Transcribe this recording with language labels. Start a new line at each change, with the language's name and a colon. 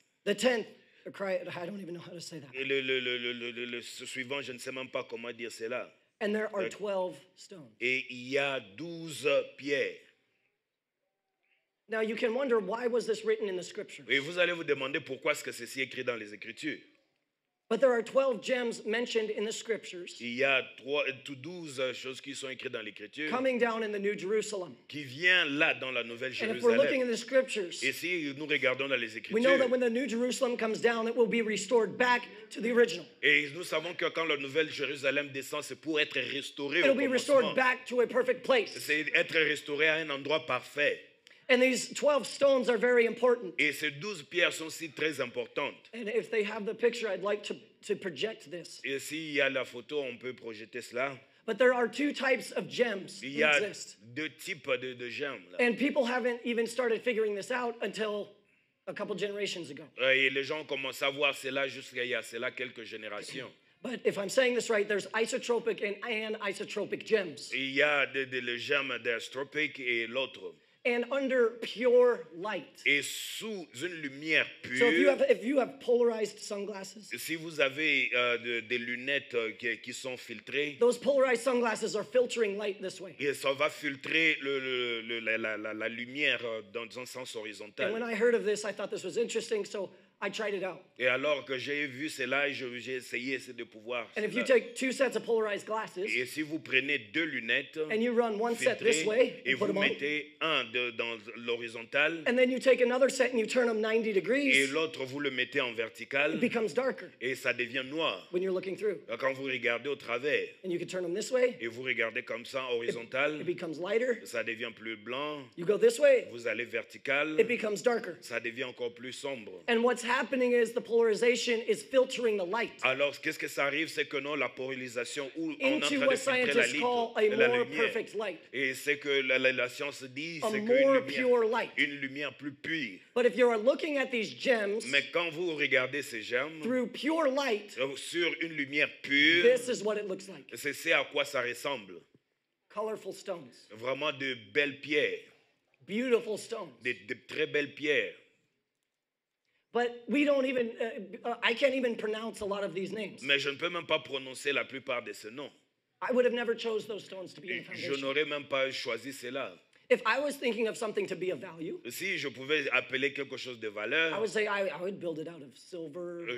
English: The tenth, a cryo. I don't even know how to say that.
French: Le suivant, je ne sais même pas comment dire cela.
English: And there are 12 stones.
French: Et il y a 12 pierres.
English: Now you can wonder why was this written in the scriptures.
French: Et vous allez vous demander pourquoi est-ce que ceci est écrit dans les écritures.
English: But there are 12 gems mentioned in the scriptures.
French: Il y a 12 choses qui sont écrites dans l'écriture.
English: Coming down in the New Jerusalem.
French: Qui vient là dans la nouvelle Jérusalem.
English: And if we're looking in the scriptures.
French: Et si nous regardons dans les écritures.
English: We know that when the New Jerusalem comes down, it will be restored back to the original.
French: Et nous savons que quand la nouvelle Jérusalem descend, c'est pour être restauré.
English: It'll be restored back to a perfect place.
French: C'est être restauré à un endroit parfait.
English: And these 12 stones are very important.
French: Et ces 12 pierres sont si très importantes.
English: And if they have the picture, I'd like to project this.
French: Et s'il y a la photo, on peut projeter cela.
English: But there are two types of gems that exist.
French: Il y a deux types de gemmes.
English: And people haven't even started figuring this out until a couple generations ago.
French: Et les gens commencent à voir cela jusqu'à il y a cela quelques générations.
English: But if I'm saying this right, there's isotropic and anisotropic gems.
French: Il y a les gemmes d'astropique et l'autre.
English: And under pure light.
French: Et sous une lumière pure.
English: So if you have polarized sunglasses.
French: Si vous avez des lunettes qui sont filtrées.
English: Those polarized sunglasses are filtering light this way.
French: Et ça va filtrer la lumière dans un sens horizontal.
English: And when I heard of this, I thought this was interesting, so I tried it out.
French: Et alors que j'ai vu cela, j'ai essayé de pouvoir.
English: And if you take two sets of polarized glasses.
French: Et si vous prenez deux lunettes.
English: And you run one set this way.
French: Et vous mettez un dans l'horizontal.
English: And then you take another set and you turn them 90 degrees.
French: Et l'autre vous le mettez en vertical.
English: It becomes darker.
French: Et ça devient noir.
English: When you're looking through.
French: Quand vous regardez au travers.
English: And you can turn them this way.
French: Et vous regardez comme ça horizontal.
English: It becomes lighter.
French: Ça devient plus blanc.
English: You go this way.
French: Vous allez vertical.
English: It becomes darker.
French: Ça devient encore plus sombre.
English: And what's happening is the polarization is filtering the light.
French: Alors, qu'est-ce que ça arrive, c'est que non, la polarisation où on
English: into what scientists call a more perfect light.
French: Et c'est que la science dit,
English: a
French: c'est
English: more
French: une lumière,
English: pure light.
French: Une lumière plus pure.
English: But if you are looking at these gems,
French: mais quand vous regardez ces gemmes,
English: through pure light,
French: sur une lumière pure,
English: this is what it looks like.
French: C'est à quoi ça ressemble.
English: Colorful stones.
French: Vraiment de belles pierres.
English: Beautiful stones.
French: De très belles pierres.
English: But we don't even, I can't even pronounce a lot of these names.
French: Mais je ne peux même pas prononcer la plupart de ces noms.
English: I would have never chose those stones to be in the foundation.
French: Je n'aurais même pas choisi cela.
English: If I was thinking of something to be of value,
French: si je pouvais appeler quelque chose de valeur,
English: I would say I would build it out of silver.